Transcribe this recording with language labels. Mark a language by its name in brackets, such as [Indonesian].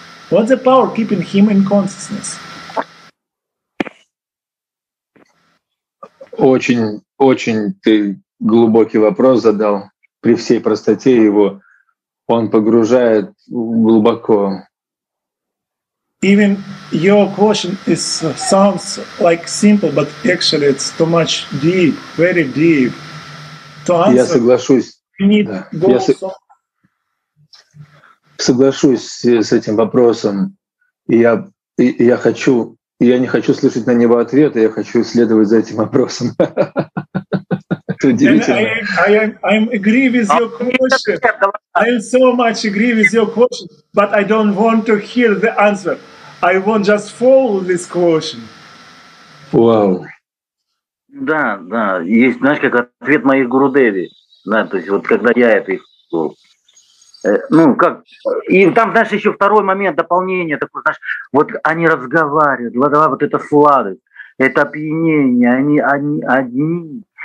[English] What's the power keeping him in consciousness? [Russian] Очень, очень ты глубокий вопрос задал. При всей простоте его он погружает глубоко. [English] Even your question is sounds like simple, but actually it's too much deep, very deep. To answer, [Russian] я соглашусь. [English] You need [Russian] соглашусь с этим вопросом. Я не хочу слышать на него ответа, я хочу исследовать за этим вопросом. Это удивительно. [English] I agree with your question. I so much agree with your question, but I don't want to hear the answer. I won't just follow this question. Wow. [Russian] Да, да, есть, знаешь, как ответ моих Гурудеви, да, то есть вот когда я это использовал. Ну, как, и там, знаешь, еще второй момент дополнения такой, знаешь, вот они разговаривают, вот это сладость, это опьянение, они одни,